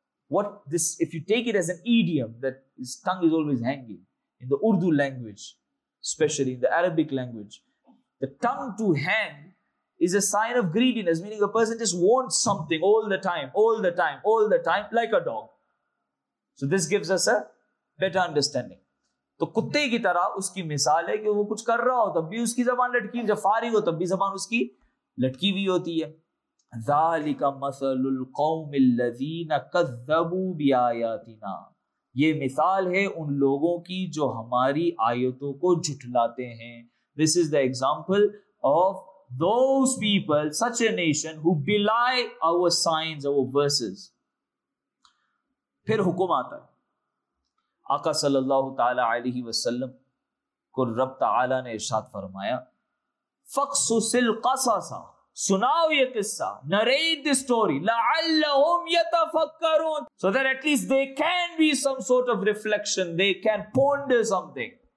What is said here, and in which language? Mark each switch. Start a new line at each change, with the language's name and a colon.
English: What this, if you take it as an idiom, that his tongue is always hanging in the Urdu language, especially in the Arabic language, the tongue to hang is a sign of greediness, meaning a person just wants something all the time, all the time, all the time, like a dog. So this gives us a better understanding.
Urdu: تو کتے کی طرح اس کی مثال ہے کہ وہ کچھ کر رہا ہو تب بھی اس کی زبان لٹکی ہوئی, جب فارغ ہو تب بھی زبان اس کی لٹکی ہوئی ہوتی ہے.
Arabic: ذالک مثل القوم الذین کذبوا بآیاتنا.
Urdu: یہ مثال ہے ان لوگوں کی جو ہماری آیتوں کو جھٹلاتے ہیں.
English: This is the example of those people, such a nation, who belie our signs, our verses.
Urdu: پھر حکم آتا ہے, آقا صلی اللہ تعالی علیہ وسلم کو رب تعالی نے ارشاد فرمایا,
Arabic: فقصص القصص,
Urdu: سناؤ یہ قصہ,
English: narrate the story,
Arabic: لعلهم يتفكرون,
English: so that at least they can be some sort of reflection, they can ponder something.